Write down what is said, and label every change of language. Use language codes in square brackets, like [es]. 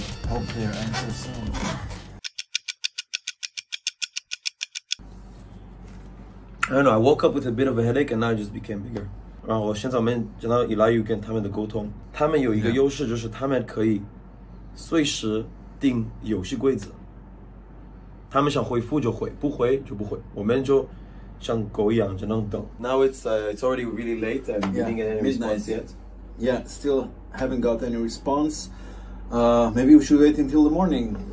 [en] I don't know, I woke up with a bit of a headache and now it just became bigger. [zh] 然后现在我们见到 Eliu 跟他们的沟通，他们有一个优势就是他们可以随时定游戏规则，他们想回复就回，不回就不回，我们就像狗一样只能等。 [en] Now it's already really late and we didn't get any response yet. Yeah, still haven't got any responseMaybe we should wait until the morning.